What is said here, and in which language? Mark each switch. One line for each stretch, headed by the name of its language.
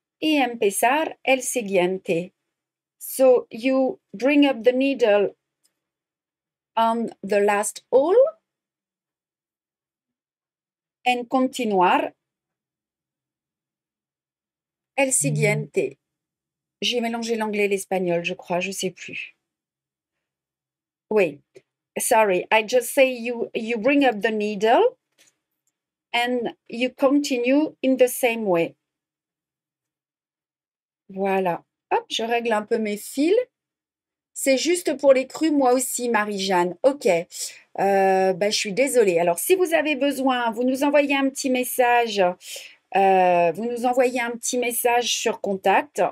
Spanish: Y empezar el siguiente.
English: So, you bring up the needle on the last hole and
Spanish: continuar el siguiente.
French: J'ai mélangé l'anglais et l'espagnol, je crois, je ne sais plus.
English: Oui, sorry, I just say you bring up the needle and you continue in the same way.
French: Voilà, hop, je règle un peu mes fils. C'est juste pour les crues, moi aussi, Marie-Jeanne. Ok, ben, je suis désolée. Alors, si vous avez besoin, vous nous envoyez un petit message. Vous nous envoyez un petit message sur contact.